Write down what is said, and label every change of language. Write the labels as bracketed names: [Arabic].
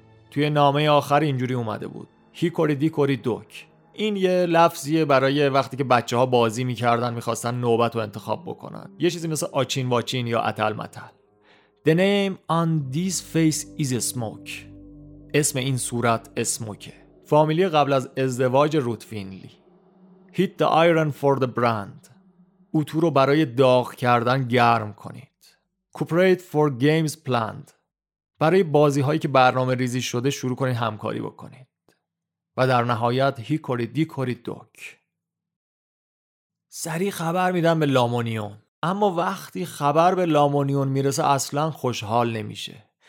[Persian] توی نامه آخر اینجوری اومده بود: هیکوری دیکوری دوک. این یه لفظیه برای وقتی که بچه ها بازی میکردن میخواستن نوبت رو انتخاب بکنن، یه چیزی مثل آچین واچین یا اتل متل. [English] The name on this face is smoke. [Persian] اسم این صورت اسموکه. فامیلی قبل از ازدواج روت فینلی. [English] Hit the iron for the brand. [Persian] اوتو رو برای داغ کردن گرم کنید. [English] Cooperate for games planned. [Persian] برای بازی هایی که برنامه ریزی شده شروع کنید همکاری بکنید. و در نهایت هیکوری دیکوری دوک. سریع خبر میدن به لامونیون، اما وقتی خبر به لامونیون میرسه اصلا خوشحال نمیشه.